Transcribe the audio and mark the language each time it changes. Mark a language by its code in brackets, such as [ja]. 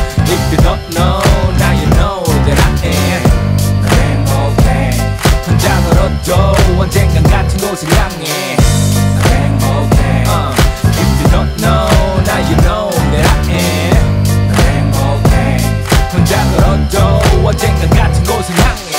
[en] If you don't know, now you know that I am. I'm okay. [ko] 혼자 걸어도 언젠간 같은 곳을 향해. [en] I'm okay. If you don't know, now you know that I am. I'm okay. [ko] 혼자 걸어도 언젠간 같은 곳을 향해.